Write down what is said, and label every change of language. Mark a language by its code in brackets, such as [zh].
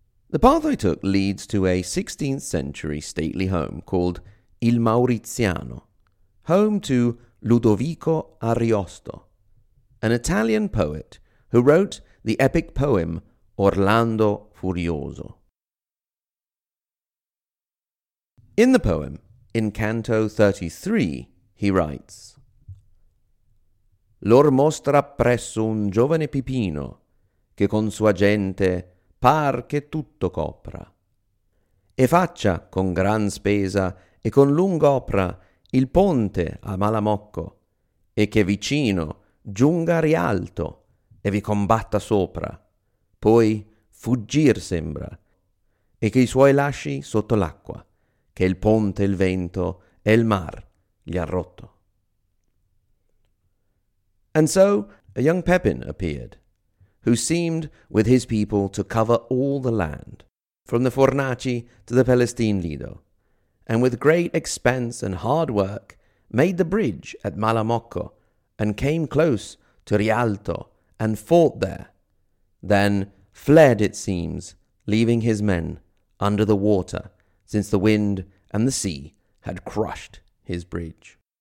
[en] The path I took leads to a 16th century stately home called Il Mauriziano, home to Ludovico Ariosto, an Italian poet who wrote the epic poem Orlando Furioso. In the poem, in Canto 33, he writes, [it] Lor mostra presso un giovane pipino che con sua gente par che tutto copra e faccia con gran spesa e con lunga opra il ponte a Malamocco e che vicino giunga a rialto e vi combatta sopra poi fuggir sembra e che i suoi lasci sotto l'acqua che il ponte il vento e il mar gli ha rotto. [en] And so a young Pepin appeared, who seemed with his people to cover all the land from the Fornaci to the Pelestine Lido, and with great expense and hard work made the bridge at Malamocco and came close to Rialto and fought there, then fled, it seems, leaving his men under the water, since the wind and the sea had crushed his bridge.